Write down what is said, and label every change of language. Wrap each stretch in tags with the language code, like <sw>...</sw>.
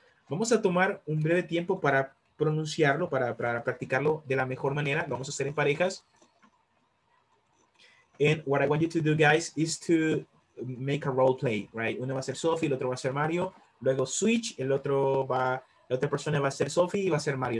<es>Vamos a tomar un breve tiempo para pronunciarlo, para practicarlo de la mejor manera. Lo vamos a hacer en parejas.</es> <en>And what I want you to do, guys, is to make a role play, right?</en> <es>Uno va a ser Sophie, el otro va a ser Mario. Luego switch, el otro va, la otra persona va a ser Sophie y va a ser Mario.</es>